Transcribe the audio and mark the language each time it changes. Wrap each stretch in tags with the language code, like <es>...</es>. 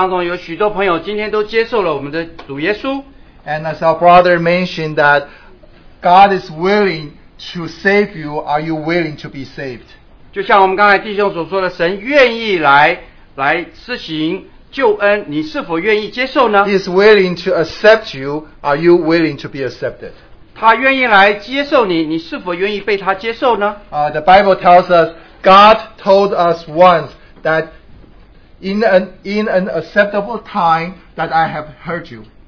<zh>我们在这里一起欢喜快乐，知道当中有许多朋友今天都接受了我们的主耶稣。</zh> <en>And as our brother mentioned, that God is willing to save you. Are you willing to be saved?</en> <zh>就像我们刚才弟兄所说的，神愿意来施行。救恩，你是否愿意接受呢?</zh> <en>He is willing to accept you. Are you willing to be accepted?</en> <zh>他愿意来接受你，你是否愿意被他接受呢?</zh> <en>The Bible tells us, God told us once that in an acceptable time that I have heard you.</en>